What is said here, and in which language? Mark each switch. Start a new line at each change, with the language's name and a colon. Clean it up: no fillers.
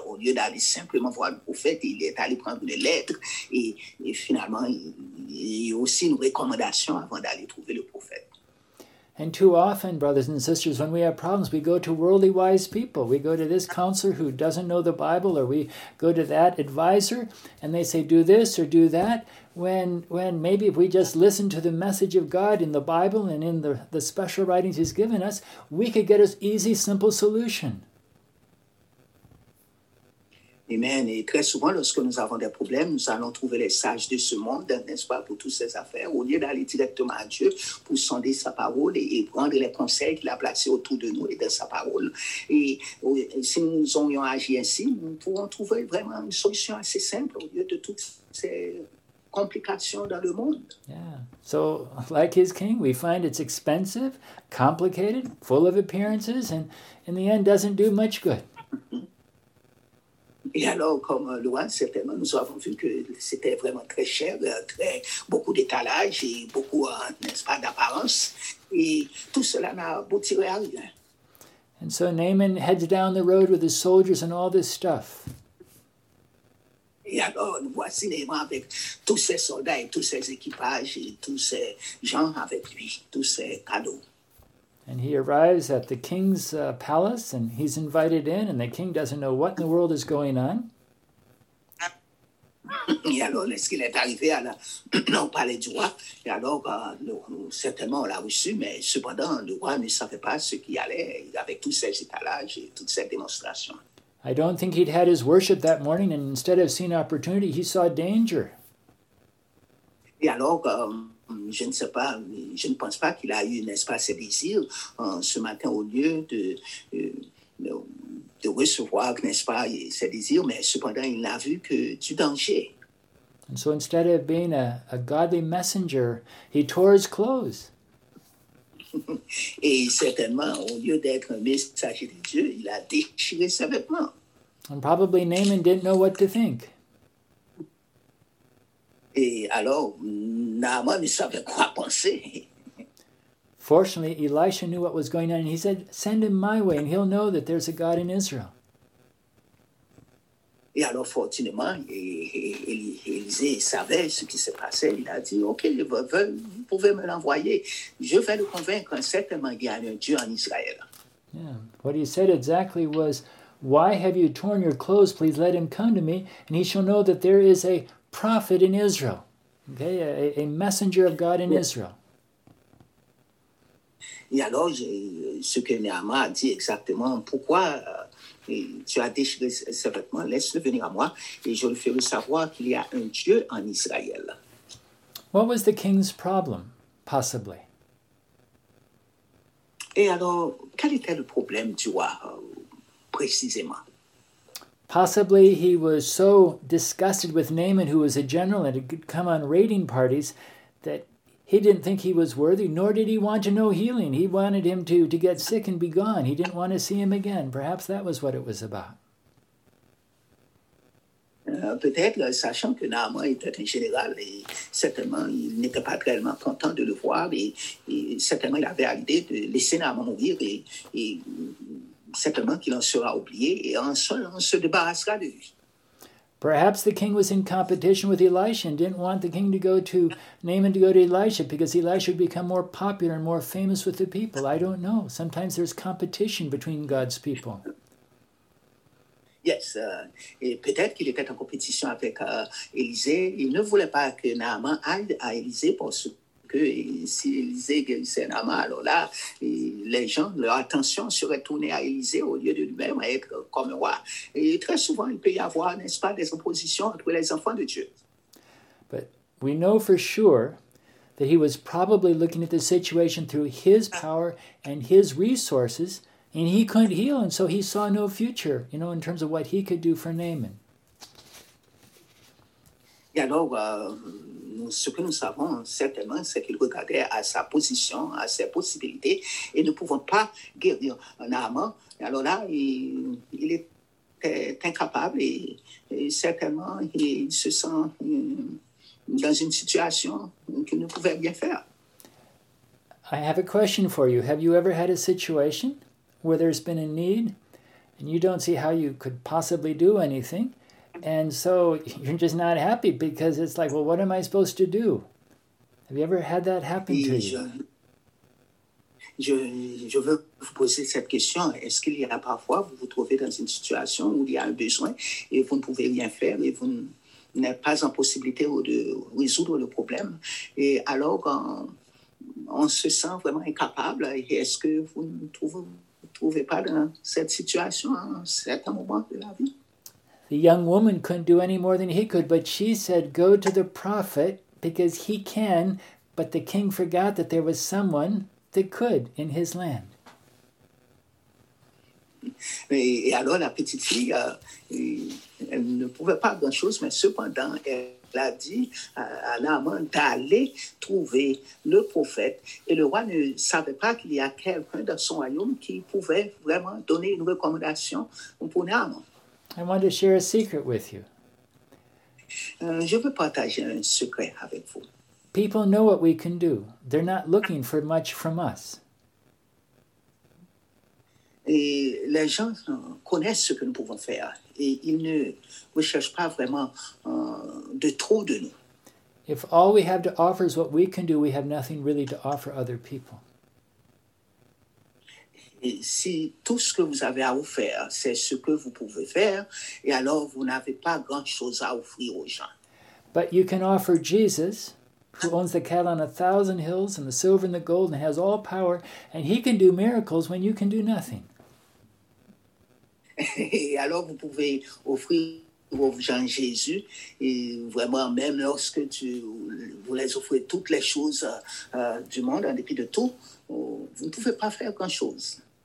French: Au lieu d'aller simplement voir le prophète, il est allé prendre les lettres et finalement, il y a aussi une recommandation avant d'aller trouver le prophète.
English: And too often, brothers and sisters, when we have problems, we go to worldly wise people. We go to this counselor who doesn't know the Bible, or we go to that advisor, and they say, do this or do that, when maybe if we just listen to the message of God in the Bible and in the special writings he's given us, we could get an easy, simple solution. Amen.
French: Et très souvent, lorsque nous avons des problèmes, nous allons trouver les sages de ce monde, n'est-ce pas, pour toutes ces affaires, au lieu d'aller directement à Dieu pour sonder sa parole et prendre les conseils qu'il a placés autour de nous et de sa parole. Et si nous aurions agi ainsi, nous pourrons trouver vraiment une solution assez simple au lieu de toutes ces complications dans le monde.
English: Yeah. So, like his king, we find it's expensive, complicated, full of appearances, and in the end, doesn't do much good.
French: Et alors, comme loin, certainement, nous avons vu que c'était vraiment très cher, très, beaucoup d'étalage et beaucoup, n'est-ce pas, d'apparence. Et tout cela n'a abouti à rien.
English: And so Naaman heads down the road with his soldiers and all this stuff.
French: Et alors, voici Naaman avec tous ses soldats et tous ses équipages et tous ses gens avec lui, tous ses cadeaux.
English: And he arrives at the king's palace, and he's invited in, and the king doesn't know what in the world is going on.
French: Et alors, lorsqu'il est arrivé à la, au palais du roi, et alors, certainement, on l'a reçu, mais cependant, le roi ne savait pas ce qui allait avec tous ces étalages et toutes ces démonstrations.
English: I don't think he'd had his worship that morning, and instead of seeing opportunity, he saw danger.
French: Et alors, je ne sais pas, je ne pense pas qu'il a eu, n'est-ce pas, ses désirs ce matin au lieu de recevoir, n'est-ce pas, ses désirs, mais cependant il n'a vu que du danger.
English: And so instead of being a godly messenger, he tore his clothes.
French: Et certainement, au lieu d'être un messager de Dieu, il a déchiré ses vêtements.
English: And probably Naaman didn't know what to think.
French: Et alors, Naaman ne savait quoi penser.
English: Fortunately, Elisha knew what was going on, and he said, send him my way, and he'll know that there's a God in Israel.
French: Et alors, fortunément, Élisée savait ce qui se passait. Il a dit, OK, vous pouvez me l'envoyer. Je vais le convaincre, certainement, il y a un Dieu en Israël.
English: Yeah. What he said exactly was, Why have you torn your clothes? Please let him come to me, and he shall know that there is a prophet in Israel. Okay, a messenger of God in Israel.
French: Et alors, ce que Néhémie a dit exactement, pourquoi tu as déchiré ce vêtement, laisse-le venir à moi, et je le ferai savoir qu'il y a un Dieu en Israël.
English: What was the king's problem, possibly?
French: Et alors, quel était le problème du roi, précisément?
English: Possibly he was so disgusted with Naaman, who was a general and had come on raiding parties, that he didn't think he was worthy, nor did he want to know healing. He wanted him to get sick and be gone. He didn't want to see him again. Perhaps that was what it was about.
French: Peut-être, sachant que Naaman était un général, et certainement il n'était pas tellement content de le voir, et certainement il avait à l'idée de laisser Naaman mourir, et certainement qu'il en sera oublié, et en seul, on se débarrassera de lui.
English: Perhaps the king was in competition with Elisha and didn't want the king to go to Naaman to go to Elisha because Elisha would become more popular and more famous with the people. I don't know. Sometimes there's competition between God's people. Yes,
French: et peut-être qu'il était en compétition avec Élisée. Il ne voulait pas que Naaman aille à Élisée parce que si Élisée guérissait Naaman, alors là, les gens, leur attention serait tournée à Élisée au lieu de lui-même être comme roi. Et très souvent, il peut y avoir, n'est-ce pas, des oppositions entre les enfants de Dieu.
English: But we know for sure that he was probably looking at the situation through his power and his resources. And he couldn't heal, and so he saw no future, you know, in terms of what he could do for Naaman.
French: Et alors, ce que nous savons certainement, c'est qu'il regardait à sa position, à ses possibilités, et ne pouvant pas guérir Naaman. Alors là, il est incapable, et certainement, il se sent dans une situation qu'il ne pouvait rien faire.
English: I have a question for you. Have you ever had a situation where there's been a need, and you don't see how you could possibly do anything, and so you're just not happy because it's like, well, what am I supposed to do? Have you ever had that happen to you?
French: Je veux vous poser cette question. Est-ce qu'il y a parfois, vous vous trouvez dans une situation où il y a un besoin et vous ne pouvez rien faire et vous n'êtes pas en possibilité de résoudre le problème, et alors on se sent vraiment incapable, et est-ce que vous ne trouvez pouvait pas dans cette situation, à certains moments de la vie.
English: The young woman couldn't do any more than he could, but she said, go to the prophet, because he can, but the king forgot that there was someone that could in his land.
French: Et alors la petite fille, elle ne pouvait pas grand-chose, mais cependant, elle a dit à Naaman d'aller trouver le prophète. Et le roi ne savait pas qu'il y a quelqu'un dans son royaume qui pouvait vraiment donner une recommandation pour Naaman.
English: I want to share a secret with you.
French: Je veux partager un secret avec vous.
English: People know what we can do. They're not looking for much from us.
French: Et les gens connaissent ce que nous pouvons faire. Et ils ne recherchent pas vraiment de trop de nous.
English: If all we have to offer is what we can do, we have nothing really to offer other people.
French: Et si tout ce que vous avez à offrir, c'est ce que vous pouvez faire, et alors vous n'avez pas grand-chose à offrir aux gens.
English: But you can offer Jesus, who owns the cattle on a thousand hills and the silver and the gold and has all power, and he can do miracles when you can do nothing.
French: Et alors vous pouvez offrir aux gens Jésus, et vraiment même lorsque tu voulais offrir toutes les choses du monde, en dépit de tout, vous ne pouvez pas faire grand-chose.